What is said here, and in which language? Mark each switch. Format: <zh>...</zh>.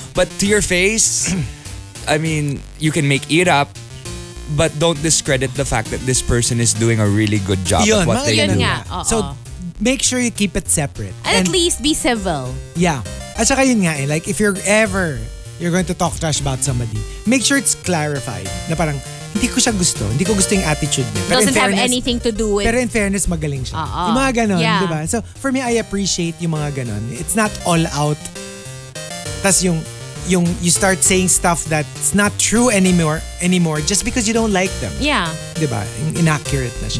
<en>But to your face, I mean, you can make it up, but don't discredit the fact that this person is doing a really good job at what they do. So, make sure you keep it separate. And at least be civil. Yeah.</en> <tl>At saka yun nga eh,</tl> <en>like, if you're going to talk trash about somebody, make sure it's clarified.</en> <tl>Na parang, hindi ko siya gusto. Hindi ko gusto yung attitude niya.</tl> <en>Doesn't have anything to do with...</en> <tl>Pero</tl> <en>in fairness,</en> <tl>magaling siya. Uh-oh. Yung mga ganon, di ba?</tl> <en>So, for me, I appreciate</en> <tl>yung mga ganon.</tl> <en>It's not all out.</en> <tl>Tas yung</tl> <en>you start saying stuff that's not true anymore just because you don't like them. Yeah.</en> <tl>Diba? Inaccurate na siya.</tl>